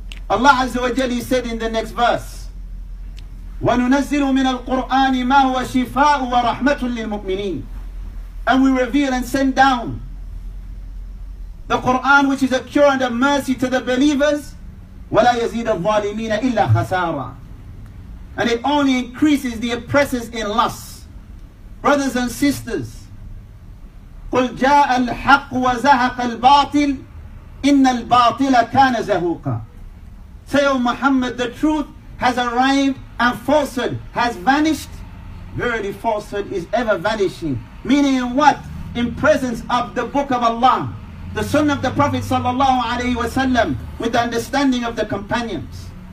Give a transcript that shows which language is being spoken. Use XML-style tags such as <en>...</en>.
<en>Allah Azza wa Jalla said in the next verse,</en> <ar>وَنُنَزِّلُ مِنَ الْقُرْآنِ مَا هُوَ شِفَاءُ وَرَحْمَةٌ لِلْمُؤْمِنِينَ.</ar> <en>And we reveal and send down the Qur'an, which is a cure and a mercy to the believers.</en> <ar>وَلَا يَزِيدَ الظَّالِمِينَ إِلَّا خَسَارًا.</ar> <en>And it only increases the oppressors in loss. Brothers and sisters,</en> <ar>قُلْ جَاءَ الْحَقُّ وَزَهَقَ الْبَاطِلُ إِنَّ الْبَاطِلَ كَانَ زَهُوقًا.</ar> <en>Say, O Muhammad, the truth has arrived and falsehood has vanished. Verily, falsehood is ever vanishing. Meaning in what? In presence of the book of Allah, the sunnah of the Prophet sallallahu alayhi wa sallam, with the understanding of the companions.</en>